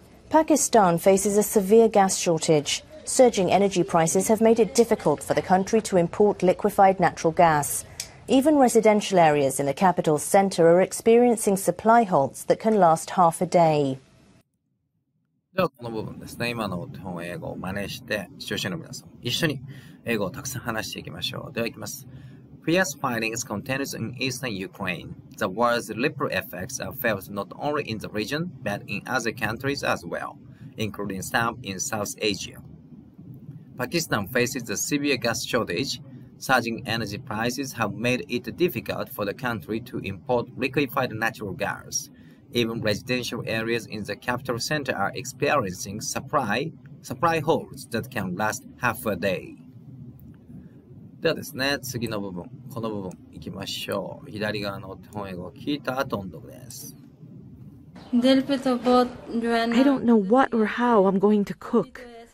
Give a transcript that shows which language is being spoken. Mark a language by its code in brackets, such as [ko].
[en] Pakistan faces a severe gas shortage. Surging energy prices have made it difficult for the country to import liquefied natural gas. Even residential areas in the capital's center are experiencing supply halts that can last half a day. [ja] ではこの部分ですね、今の日本英語を真似して視聴者の皆さん一緒に英語をたくさん話していきましょう。ではいきます。 [en] Fierce fighting continues in eastern Ukraine. The war's ripple effects are felt not only in the region, but in other countries as well, including some in South Asia. Pakistan faces a severe gas shortage. Surging energy prices have made it difficult for the country to import liquefied natural gas. Even residential areas in the capital center are experiencing supply holds that can last half a day. [ja] ではですね、次の部分、この部分いきましょう。左側の本英語を聞いた後の動画です。 [en] I don't know what or how I'm going to cook.